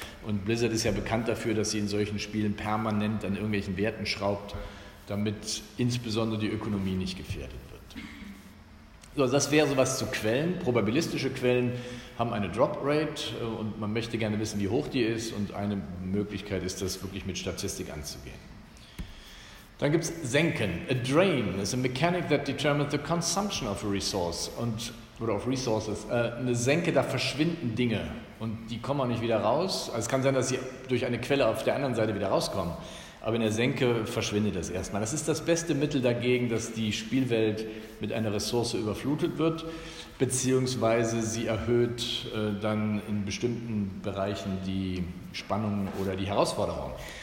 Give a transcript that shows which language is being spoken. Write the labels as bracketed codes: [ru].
[de] Und Blizzard ist ja bekannt dafür, dass sie in solchen Spielen permanent an irgendwelchen Werten schraubt, damit insbesondere die Ökonomie nicht gefährdet wird. So, das wäre sowas zu Quellen. Probabilistische Quellen haben eine Drop-Rate und man möchte gerne wissen, wie hoch die ist. Und eine Möglichkeit ist, das wirklich mit Statistik anzugehen. Dann gibt es Senken. [en] A drain is a mechanic that determines the consumption of a resource [de] oder [en] of resources. [de] Eine Senke, da verschwinden Dinge und die kommen auch nicht wieder raus. Also es kann sein, dass sie durch eine Quelle auf der anderen Seite wieder rauskommen. Aber in der Senke verschwindet das erstmal. Das ist das beste Mittel dagegen, dass die Spielwelt mit einer Ressource überflutet wird, beziehungsweise sie erhöht dann in bestimmten Bereichen die Spannung oder die Herausforderung.